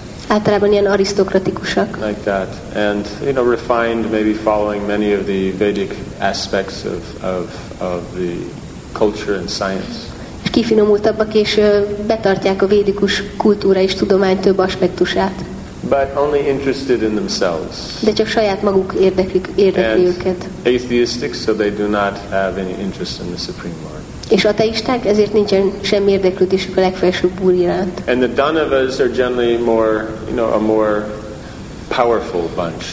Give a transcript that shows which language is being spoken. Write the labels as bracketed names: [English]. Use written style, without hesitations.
[Hungarian] Általában ilyen arisztokratikusak. [English] Like that. And, you know, refined, maybe following many of the Vedic aspects of the culture and science. [Hungarian] És kifinomultabbak, és betartják a védikus kultúra és tudomány több aspektusát. [English] But only interested in themselves. [Hungarian] De csak saját maguk érdekli őket. [English] Atheistic, so they do not have any interest in the Supreme Lord. [Hungarian] És ateisták, ezért nincsen semmi érdeklődésük a legfelsőbb úr iránt. [English] And the Danavas are generally more, you know, a more powerful bunch.